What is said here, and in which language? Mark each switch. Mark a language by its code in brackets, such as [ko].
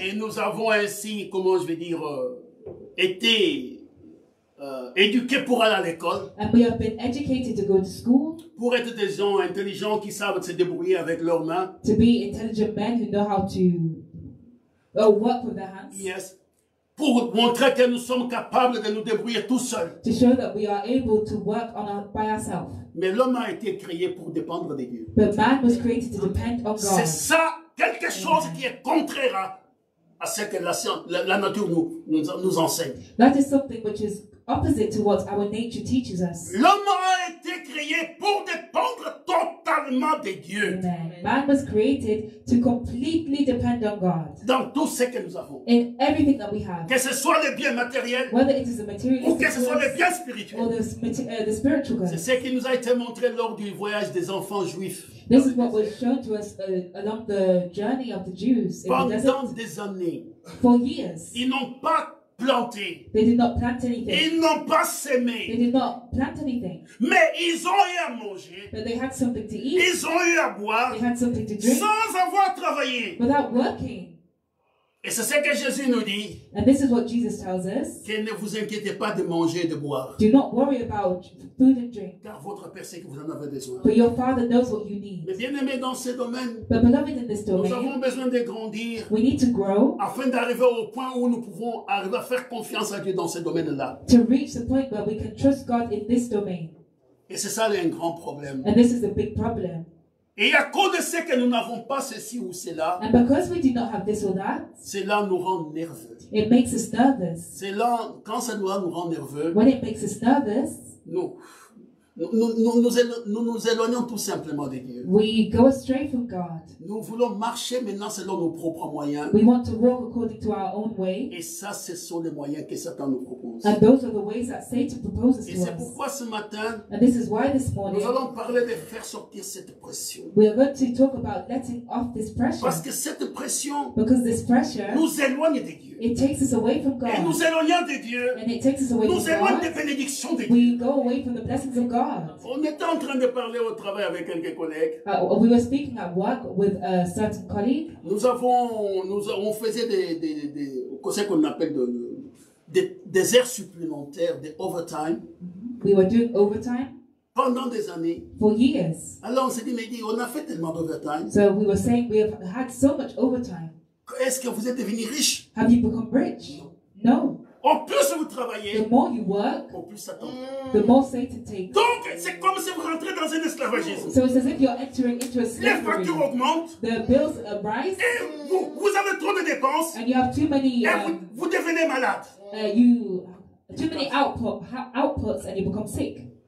[fr] Et nous avons ainsi, comment je vais dire, été éduqués pour aller à l'école. [en] And we have been educated to go to school. [fr] Pour être des gens intelligents qui savent se débrouiller avec leurs mains. [en] To be intelligent men who know how to work with their hands. Yes. [fr] Pour montrer que nous sommes capables de nous débrouiller tout seuls. [en] To show that we are able to work on by ourselves. [fr] Mais l'homme a été créé pour dépendre de Dieu. [en] But man was created to depend on God. [fr] C'est ça quelque chose. Amen. Qui est contraire à ce que la nature nous enseigne. [en] That is something which is opposite to what our nature teaches us. [fr] L'homme a été créé pour dépendre totalement de Dieu. [en] Man was created to completely depend on God. [fr] Dans tout ce que nous avons. [en] In everything that we have. [fr] Que ce soit les biens matériels. [en] Whether it is the material. [fr] Ou que ce soit les biens spirituels. [en] Or the spiritual goods. [fr] C'est ce qui nous a été montré lors du voyage des enfants juifs. [en] This is what was shown to us along the journey of the Jews. [fr] Pendant des années. [en] For years. [fr] Ils n'ont pas planté. [en] They did not plant anything. [fr] Ils n'ont pas semé. [en] They did not plant anything. [fr] Mais ils ont eu à manger. [en] But they had something to eat. [fr] Ils ont eu à boire. [en] They had something to drink. [fr] Sans avoir travaillé. [en] Without working. [fr] Et c'est ce que Jésus nous dit. [en] And this is what Jesus tells us. [fr] Que ne vous inquiétez pas de manger et de boire. [en] Do not worry about food and drink. [fr] Car votre Père sait que vous en avez besoin. [en] But your Father knows what you need. [fr] Mais bien aimé dans ce domaine. [en] But beloved in this domain. [fr] Nous avons besoin de grandir. [en] We need to grow. [fr] Afin d'arriver au point où nous pouvons arriver à faire confiance à Dieu dans ce domaine-là. [en] To reach the point where we can trust God in this domain. [fr] Et c'est ça un grand problème. [en] And this is a big problem. [fr] Et à cause de ce que nous n'avons pas ceci ou cela, [en] and because we do not have this or that, [fr] cela nous rend nerveux. [en] It makes us nervous. [fr] Cela, quand ça nous rend nerveux, [en] when it makes us nervous, [fr] nous éloignons tout simplement de Dieu. [en] We go astray from God. [fr] Nous voulons marcher maintenant selon nos propres moyens. [en] We want to walk according to our own way. [fr] Et ça, ce sont les moyens que Satan nous propose. [en] And those are the ways that Satan proposes to us. [fr] Et c'est pourquoi ce matin, [en] and this is why this morning, [fr] nous allons parler de faire sortir cette pression. [en] We are going to talk about letting off this pressure. [fr] Parce que cette pression, [en] because this pressure, [fr] nous éloigne de Dieu. [en] It takes us away from God. [fr] Et nous éloignons de Dieu. [en] And it takes us away [fr] nous [en] from God. [fr] Nous éloignons des bénédictions de [en] we [fr] Dieu. [en] We go away from the blessings of God. [fr] On était en train de parler au travail avec quelques collègues. [en] We were speaking at work with a certain colleague. [fr] Nous faisait des qu'on appelle des heures supplémentaires, des overtime. [en] We were doing overtime. [fr] Pendant des années. [en] For years. [fr] Alors on s'est dit, on a fait tellement d'overtime. [en] So we were saying we have had so much overtime. [fr] Est-ce que vous êtes devenu riche? [en] Have you become rich? No. [fr] En plus vous travaillez, [en] the more you work, [fr] en plus Satan, [en] the more Satan takes. [fr] Donc c'est comme si vous rentrez dans un esclavagisme. [en] So it's as if you're entering into a slavery. [fr] Les factures augmentent. [en] The bills arise. [fr] Et vous avez trop de dépenses. [en] And you have too many. [fr] Et vous devenez malade. [en] You too many outputs and you become sick.